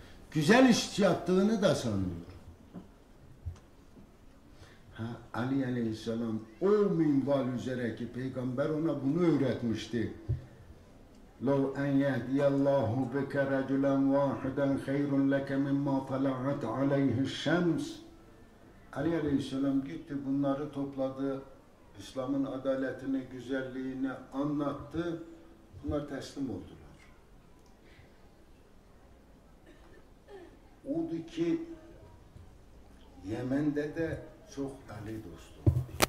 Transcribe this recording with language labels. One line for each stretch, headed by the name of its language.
Turkish: Güzel iş yaptığını da sanıyor. Ali Aleyhisselam o minval üzere ki peygamber ona bunu öğretmişti.
Arabic: لَوْ اَنْ يَهْدِيَ اللّٰهُ بِكَ رَجُلًا وَاحِدًا خَيْرٌ لَكَ مِمَّا طَلَعَتْ عَلَيْهِ الشَّمْسِ
Turkish: Ali Aleyhisselam gitti bunları topladı. İslam'ın adaletini, güzelliğini anlattı. Bunlar teslim oldular. Oldu ki Yemen'de de çok Ali dostu var.